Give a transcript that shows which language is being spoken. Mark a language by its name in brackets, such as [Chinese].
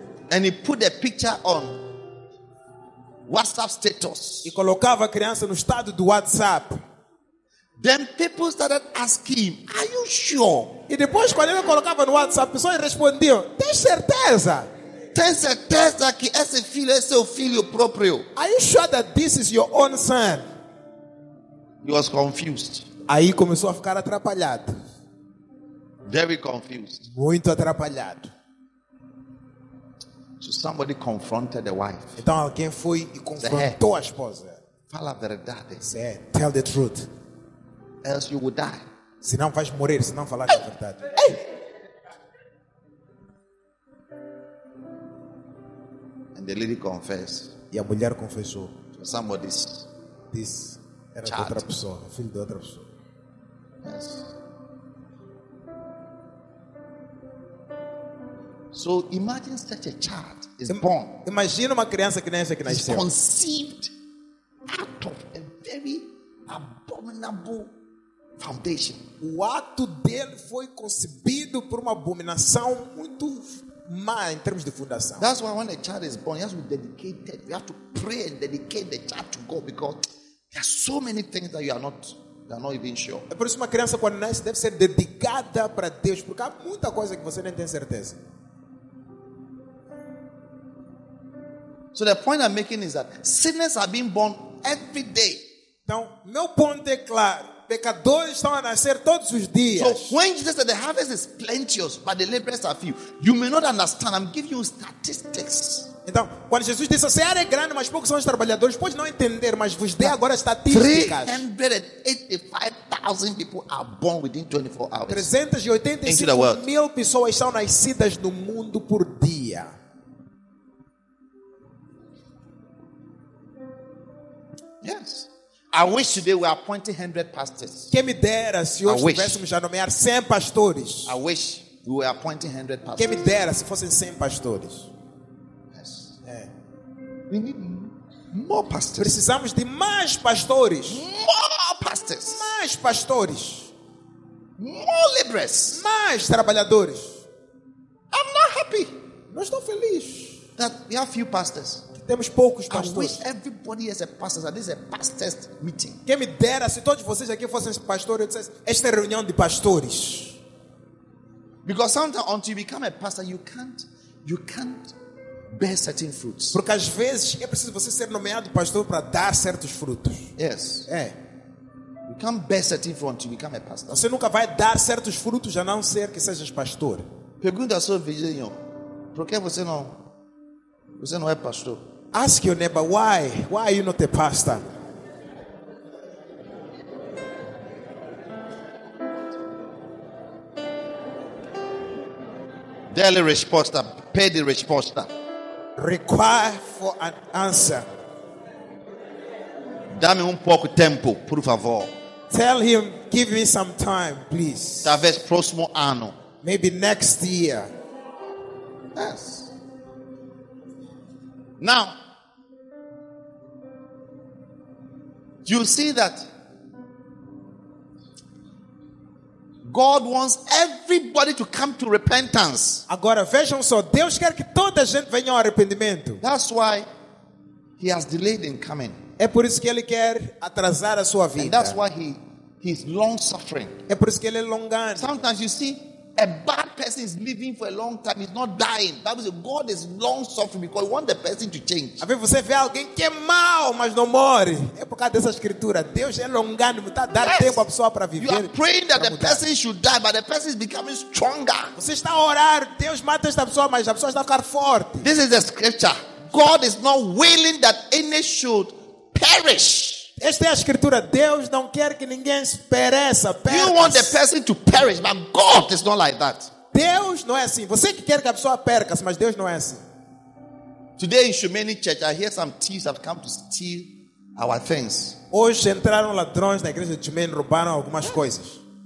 [English] And he put a picture on WhatsApp status. [Portuguese] E colocava a criança no estado do WhatsApp. [English] Then people started asking him, "Are you sure?" [Portuguese] E depois quando ele colocava no WhatsApp, pessoas respondiam, "Tem certeza?" Tem certeza que esse filho é seu filho próprio? [English] Are you sure that this is your own son? He was confused. [Portuguese] Aí começou a ficar atrapalhado. [English] Very confused. [Portuguese] Muito atrapalhado. [English] So somebody confronted the wife. [Portuguese] Então alguém foi e confrontou a esposa. Fala a verdade. [English] Say, tell the truth. Else you will die. [Portuguese] Senão vais morrer, se não falares a verdade. Ei! [English] And the lady confessed. [Portuguese] E a mulher confessou. [English] To somebody's this era child. [Portuguese] De outra pessoa, filho de outra pessoa. [English] Yes. So imagine such a child is born. [Portuguese] Imagina uma criança que nasce, que nasceu. [English] Is conceived out of a very abominable foundation. [Portuguese] O ato dele foi concebido por uma abominação muito má em termos de fundação. [English] That's why when a child is born, he has to be dedicated. You have to pray and dedicate the child to God because there are so many things that you are not even sure. [Portuguese] É por isso uma criança quando nasce deve ser dedicada para Deus, porque há muita coisa que você nem tem certeza. [English] So the point I'm making is that sinners are being born every day. [Portuguese] Então, meu ponto é claro. Pecadores estão a nascer todos os dias. [English] So when Jesus said the harvest is plenteous, but the laborers are few, you may not understand. I'm giving you statistics. [Portuguese] Então, quando Jesus disse a seara é grande, mas poucos são os trabalhadores, pode não entender, mas vos dê agora estatísticas. [English] 385,000 people are born within 24 hours. [Portuguese] 385,000 pessoas são nascidas no mundo por dia. [English] Yes. I wish today we are appointing 100 pastors. [Portuguese] Quem me dera se hoje tivéssemos já nomear 100 pastores. [English] I wish we were appointing 100 pastors. [Portuguese] Quem me dera se fossem 100 pastores. [English] Yes. [Portuguese] É. [English] We need more pastors. [Portuguese] Precisamos de mais pastores. [English] More pastors. [Portuguese] Mais pastores. [English] More laborers. [Portuguese] Mais trabalhadores. [English] I'm not happy. [Portuguese] Não estou feliz. [English] That we have few pastors. [Portuguese] Temos poucos pastores. [English] I wish everybody is a pastor. This is a pastor's meeting. [Portuguese] Quem me dera se todos vocês aqui fossem pastores, eu dissesse, esta é reunião de pastores. [English] Because sometimes until you become a pastor, you can't bear certain fruits. [Portuguese] Porque às vezes é preciso você ser nomeado pastor para dar certos frutos. [English] Yes. [Portuguese] É. [English] You can't bear certain fruits until you become a pastor. [Portuguese] Você nunca vai dar certos frutos a não ser que sejas pastor. Pergunta ao seu vizinho, por que você não é pastor? [English] Ask your neighbor, why are you not a pastor? Daily resposta, pay the resposta. Require for an answer. [Portuguese] Dame pouco tempo, por favor. [English] Tell him, give me some time, please. [Portuguese] Talvez próximo ano. [English] Maybe next year. Yes. Now, you see that God wants everybody to come to repentance. [Portuguese] Agora vejam só, Deus quer que toda a gente venha ao arrependimento. [English] That's why he has delayed in coming. [Portuguese] É por isso que ele quer atrasar a sua vida. [English] And that's why he is long suffering. [Portuguese] É por isso que ele é longano. [English] Sometimes you see A bad person is living for a long time, he's not dying. That means God is long suffering because he wants the person to change. [Portuguese] Às vezes você vê alguém que é mau, mas não morre. É por causa dessa escritura. Deus é longânimo, está dando tempo à pessoa para viver. [English] You are praying that the person should die, but the person is becoming stronger. [Portuguese] Você está a orar, Deus mata esta pessoa, mas a pessoa está a ficar forte. [English] This is the scripture. God is not willing that any should perish. [Portuguese] Esta é a escritura. Deus não quer que ninguém pereça. [English] You want the person to perish, but God is not like that. [Portuguese] Deus não é assim. Você que quer que a pessoa perca, mas Deus não é assim. [English] Today in Shumeni Church, I hear some thieves have come to steal our things. [Portuguese] Hoje entraram ladrões na igreja de Shumeni, roubaram algumas coisas.